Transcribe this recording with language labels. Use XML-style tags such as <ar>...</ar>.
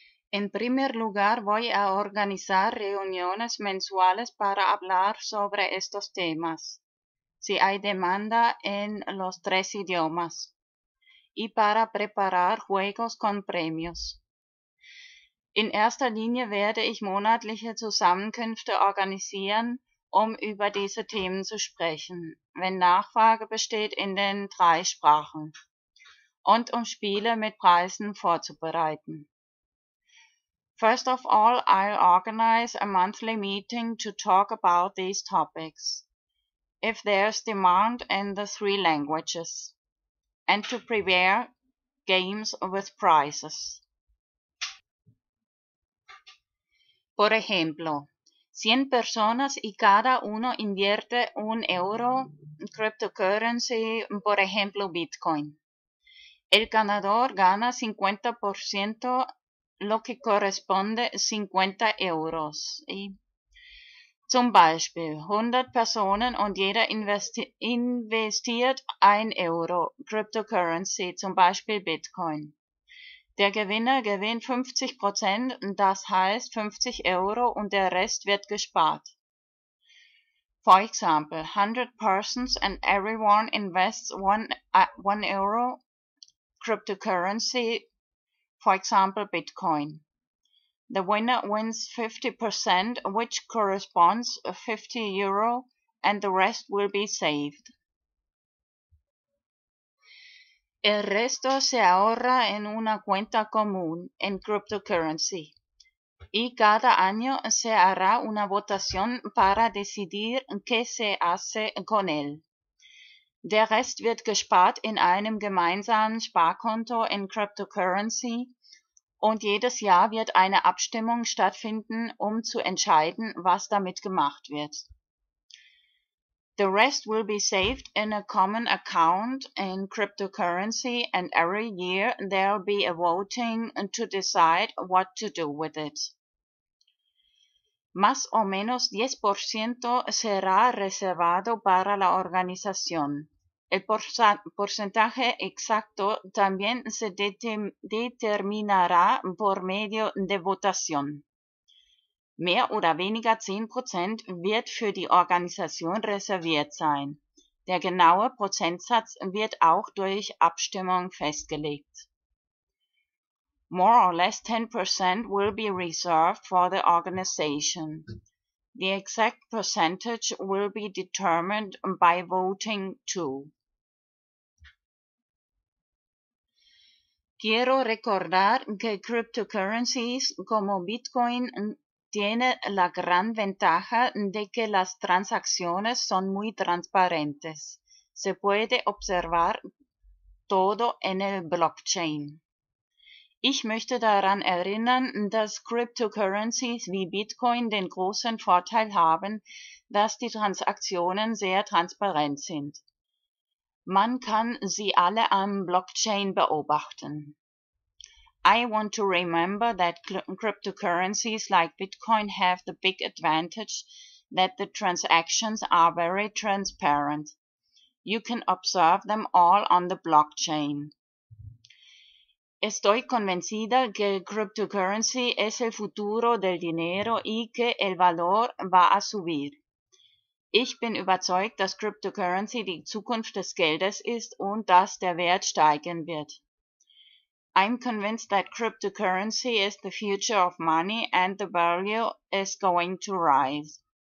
<es>En primer lugar, voy a organizar reuniones mensuales para hablar sobre estos temas, si hay demanda en los tres idiomas, y para preparar juegos con premios. En esta línea</es> <de>werde ich monatliche Zusammenkünfte organisieren, um über diese Themen zu sprechen, wenn Nachfrage besteht in den drei Sprachen, und um Spiele mit Preisen vorzubereiten.</de> <en>First of all, I'll organize a monthly meeting to talk about these topics, if there's demand in the three languages, and to prepare games with prizes.</en> <es>Por ejemplo, 100 personas y cada uno invierte un euro en cryptocurrency, por ejemplo Bitcoin. El ganador gana 50%, lo que corresponde 50 euros.</es> <de>Y zum Beispiel</de> <es>100 personas y</es> <de>jeder investiert 1 euro cryptocurrency, zum Beispiel Bitcoin. Der Gewinner gewinnt 50%, das heißt 50 Euro, und der Rest wird gespart.</de> <en>For example, 100 persons and everyone invests 1 euro cryptocurrency, for example Bitcoin. The winner wins 50%, which corresponds 50 euro, and the rest will be saved.</en> <es>El resto se ahorra en una cuenta común en cryptocurrency. Y cada año se hará una votación para decidir qué se hace con él.</es> <de>Der Rest wird gespart in einem gemeinsamen Sparkonto in cryptocurrency. Und jedes Jahr wird eine Abstimmung stattfinden, um zu entscheiden, was damit gemacht wird.</de> <en>The rest will be saved in a common account in cryptocurrency, and every year there'll be a voting to decide what to do with it.</en> <es>Más o menos 10% será reservado para la organización. El porcentaje exacto también se determinará por medio de votación.</es> <de>Mehr oder weniger 10% wird für die Organisation reserviert sein. Der genaue Prozentsatz wird auch durch Abstimmung festgelegt.</de> <en>More or less 10% will be reserved for the organization. The exact percentage will be determined by voting too.</en> <es>Quiero recordar que cryptocurrencies como Bitcoin tiene la gran ventaja de que las transacciones son muy transparentes. Se puede observar todo en el blockchain.</es> <de>Ich möchte daran erinnern, dass Cryptocurrencies wie Bitcoin den großen Vorteil haben, dass die Transaktionen sehr transparent sind. Man kann sie alle am Blockchain beobachten.</de> <en>I want to remember that cryptocurrencies like Bitcoin have the big advantage that the transactions are very transparent. You can observe them all on the blockchain.</en> <es>Estoy convencida que cryptocurrency es el futuro del dinero y que el valor va a subir.</es> <de>Ich bin überzeugt, dass cryptocurrency die Zukunft des Geldes ist und dass der Wert steigen wird.</de> <en>I'm convinced that cryptocurrency is the future of money and the value is going to rise.</en>